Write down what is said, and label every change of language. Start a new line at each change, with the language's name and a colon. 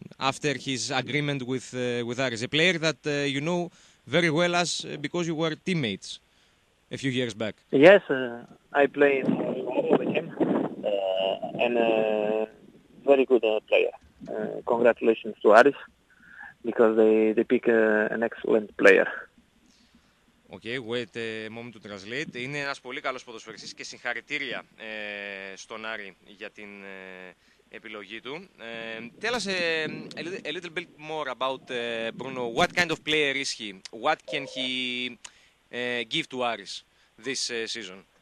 English: After his agreement with Ares, a player that you know very well, as because you were teammates a few years back. Yes, I played with him, and very good player. Congratulations to Ares, because they pick an excellent player. Okay, wait a moment to translate.
Greek: Είναι ένας πολύ καλός ποδοσφαιριστής και συγχαρητήρια στον Άρη για την επιλογή του.
English: Tell us a little bit more about Bruno. What kind of player is he? What can he give to Aris this season?